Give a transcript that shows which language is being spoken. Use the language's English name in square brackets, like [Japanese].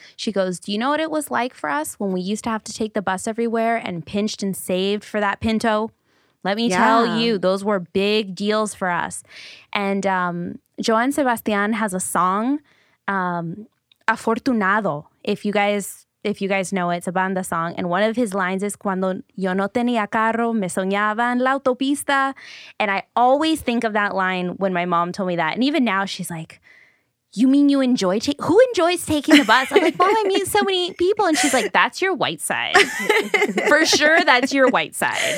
[English] She goes, do you know what it was like for us when we used to have to take the bus everywhere and pinched and saved for that Pinto? Let me tell you, those were big deals for us. And Joan Sebastian has a song, Afortunado, if you guys know it, it's a banda song. And one of his lines is, [Spanish] cuando yo no tenía carro, me soñaba en la autopista. [English] And I always think of that line when my mom told me that. And even now she's like, you mean you enjoy taking, who enjoys taking the bus? I'm like, well, I meet so many people. And she's like, that's your white side. For sure, that's your white side.